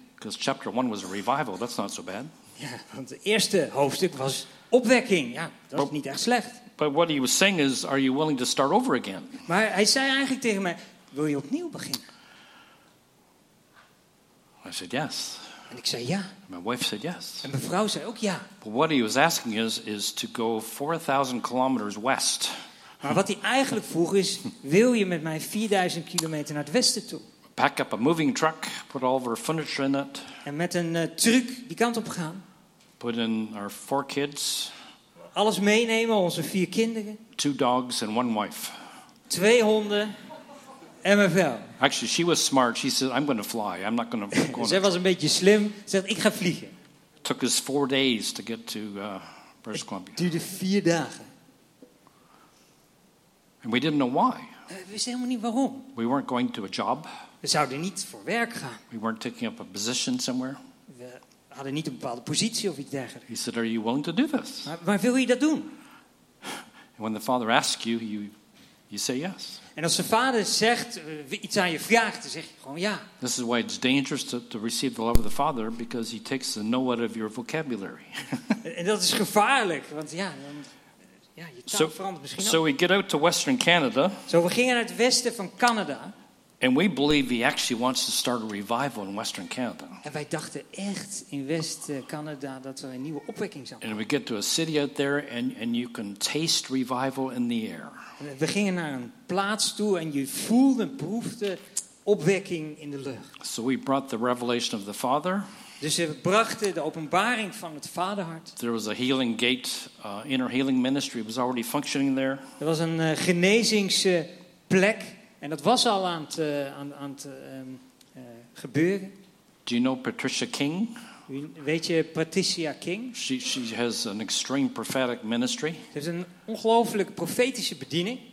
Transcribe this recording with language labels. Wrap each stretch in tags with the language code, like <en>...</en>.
<en>Because chapter one was a revival, that's not so bad.</en> <nl>Ja, want het eerste hoofdstuk was opwekking. Ja, dat was niet echt slecht.</nl> <en>But what he was saying is, are you willing to start over again?</en> <nl>Maar hij zei eigenlijk tegen mij, wil je opnieuw beginnen?</nl> <en>I said yes.</en> <nl>En ik zei ja.</nl> <en>My wife said yes.</en> <nl>En mijn vrouw zei ook ja.</nl> <en>But what he was asking is to go 4,000 kilometers west.</en> <nl>Maar wat hij eigenlijk vroeg is, wil je met mij 4,000 kilometer naar het westen toe?</nl> <en>Pack up a moving truck, put all of our furniture in it.</en> <nl>En met een truck die kant op gaan.</nl> <en>Put in our four kids.</en> <nl>Alles meenemen, onze vier kinderen.</nl> <en>Two dogs and one wife.</en> <nl>Twee honden en mijn vrouw.</nl> <en>Actually, she was smart. She said, I'm going to fly. I'm not going to go.</en> <nl>Zij was een beetje slim. Ze zegt, ik ga vliegen.</nl> <en>It took us 4 days to get to British Columbia.</en> <nl>Het duurde 4 dagen.</nl> <en>And we didn't know why.</en> <nl>We wisten helemaal niet waarom.</nl> <en>We weren't going to a job.</en> <nl>We zouden niet voor werk gaan.</nl> <en>We weren't taking up a position somewhere.</en> <nl>We hadden niet een bepaalde positie of iets dergelijks.</nl> <en>He said, are you willing to do this?</en> <nl>Maar wil je dat doen?</nl> <en>And when the Father asks you, you say yes.</en> <nl>En als de Vader zegt iets aan je vraagt, dan zeg je gewoon ja.</nl> <en>This is why it's dangerous to receive the love of the Father, because he takes the know out of your vocabulary.</en> <nl>En dat is gevaarlijk, want ja, je taal verandert misschien ook.</nl> <en>So we get out to Western Canada.</en> <nl>Zo we gingen naar het westen van Canada.</nl> <en>And we believe he actually wants to start a revival in Western Canada.</en> <nl>En wij dachten echt in West Canada dat er een nieuwe opwekking zou komen.</nl> <en>And we get to a city out there and you can taste revival in the air.</en> <nl>We gingen naar een plaats toe en je voelde en proefde opwekking in de lucht.</nl> <en>So we brought the revelation of the Father.</en> <nl>Dus we brachten de openbaring van het Vaderhart.</nl> <en>There was a healing gate, inner healing ministry was already functioning there.</en> <nl>Er was een genezingsplek. En dat was al aan het gebeuren.</nl> <en>Do you know Patricia King?</en> <nl>Weet je Patricia King?</nl> <en>She has an extreme prophetic ministry.</en> <nl>Ze heeft een ongelooflijk profetische bediening.</nl>